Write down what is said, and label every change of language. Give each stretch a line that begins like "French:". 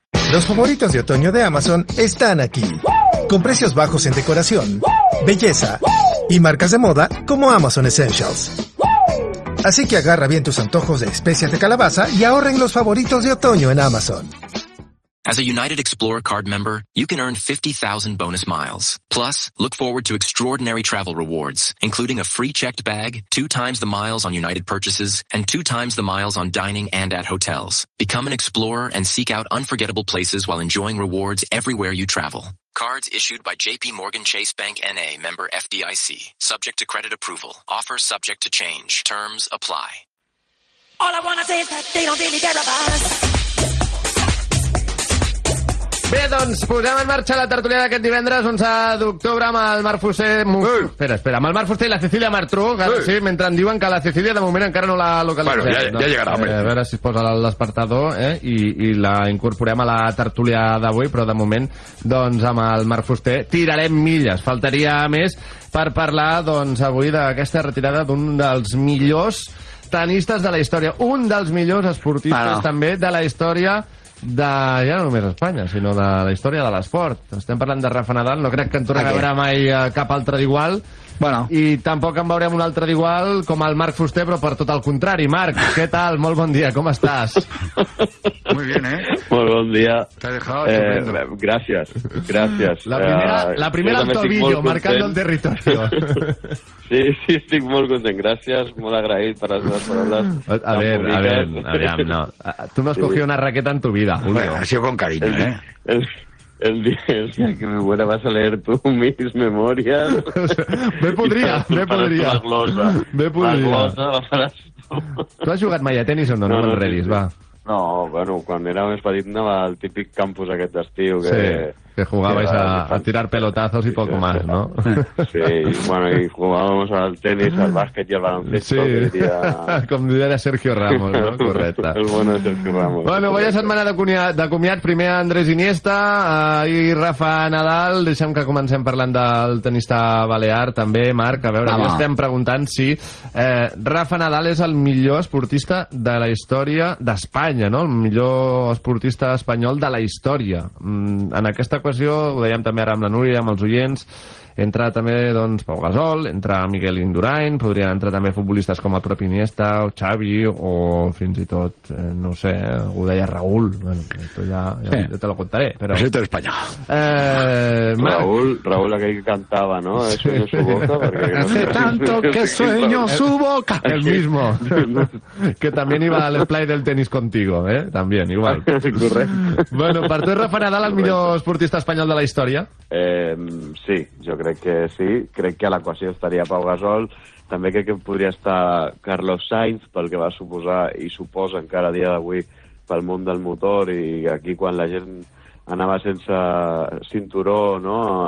Spanish: Los favoritos de otoño de Amazon están aquí, con precios bajos en decoración, belleza y marcas de moda como Amazon Essentials. Así que agarra bien tus antojos de especias de calabaza y ahorren los favoritos de otoño en Amazon.
English: As a United Explorer card member, you can earn 50,000 bonus miles. Plus, look forward to extraordinary travel rewards, including a free checked bag, 2x the miles on United purchases, and 2x the miles on dining and at hotels. Become an explorer and seek out unforgettable places while enjoying rewards everywhere you travel. Cards issued by JP Morgan Chase Bank NA, member FDIC. Subject to credit approval. Offer subject to change. Terms apply. All I wanna say is that they don't really care about us.
Catalan: Bé, doncs, posem en marxa la tertulia d'aquest divendres 11 d'octubre amb el Marc Fuster... Espera, amb el Marc Fuster i la Cecília Martrú, que ara sí, mentre em diuen que la Cecília de moment encara no la localitzem. Bueno, ja llegarà, home. A veure si es posa l'espertador i la incorporem a la tertulia d'avui, però de moment, doncs, amb el Marc Fuster tirarem milles. Faltaria més per parlar, doncs, avui d'aquesta retirada d'un dels millors tenistes de la història, un dels millors esportistes també de la història... De, ja no només d'Espanya, sinó de la història de l'esport. Estem parlant de Rafa Nadal, no crec que en torni a veure mai cap altre d'igual. Bueno. I tampoc en veurem un altre d'igual com el Marc Fuster, però per tot el contrari. Marc, què tal? Molt bon dia, com estàs?
Spanish: Muy bien, ¿eh?
Catalan: Molt bon dia.
Spanish: T'ha dejado estupendo. Gracias, gracias. La primera al tobillo, marcando el territorio.
Catalan: Sí, sí, estic molt content. Gràcies, molt agraït per les meves paraules. A veure, no.
Spanish: Tu no has cogido una raqueta en tu vida. Bueno, ha sido con cariño, ¿eh? El día que me muera vas a leer tú mis memorias. Me podría. Me podría.
Catalan: ¿Tú has jugat mai a tenis o no? No, enredis, va. No, bueno, quan era més petit anava al típic campus aquest d'estiu que...
Spanish: Sí, que jugabais a tirar pelotazos i poco más, no? Sí, bueno, y jugábamos al tenis, al bàsquet i al baloncesto.
Catalan: Sí, com diria Sergio Ramos, no? Correcte.
Spanish: El bueno de Sergio Ramos.
Catalan: Bueno, voy a setmana de comiat. Primer Andrés Iniesta i Rafa Nadal. Deixem que comencem parlant del tenista balear, també, Marc. A veure, ja estem preguntant si Rafa Nadal és el millor esportista de la història d'Espanya. No? El millor esportista espanyol de la història. En aquesta qüestió, ho dèiem també ara amb la Núria, amb els oients, entra també doncs, Pau Gasol, entra Miguel Indurain, podrien entrar també futbolistes com el propi Iniesta, o Xavi, o fins i tot, no ho sé, ho deia Raúl.
Spanish: Bueno, esto ya te lo contaré. Però...
Catalan: Sí, tot espanyol. Raúl, aquell que cantava, no?
Spanish: Sí. Hace tanto que sueño su boca. El mismo. Que también iba al play del tenis contigo, ¿eh? También, igual.
Catalan: Bueno, per tu, Rafa Nadal, el millor esportista espanyol de la història? Sí, jo crec que sí, crec que a l'equació estaria Pau Gasol, també crec que podria estar Carlos Sainz, pel que va suposar i suposa encara a dia d'avui pel món del motor, i aquí quan la gent anava sense cinturó, no?